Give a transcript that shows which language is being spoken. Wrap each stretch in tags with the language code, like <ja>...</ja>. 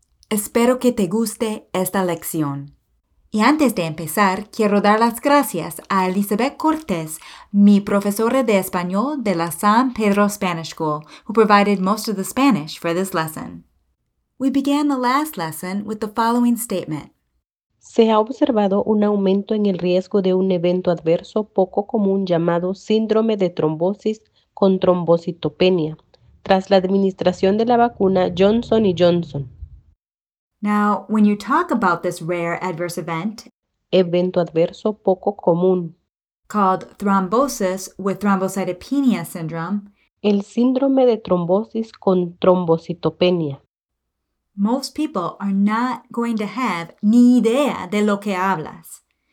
<es>Espero que te guste esta lección. Y antes de empezar, quiero dar las gracias a Elizabeth Cortez, mi profesora de español de la San Pedro Spanish School,</es> <en>who provided most of the Spanish for this lesson. We began the last lesson with the following statement.</en> <es>Se ha observado un aumento en el riesgo de un evento adverso poco común llamado síndrome de trombosis con trombocitopenia, tras la administración de la vacuna Johnson & Johnson.</es> <en>Now, when you talk about this rare adverse event,</en> <es>evento adverso poco común,</es> <en>called thrombosis with thrombocytopenia syndrome,</en> <es>el síndrome de trombosis con trombocitopenia,</es> <en>most people are not going to have</en> <es>ni idea de lo que hablas.</es>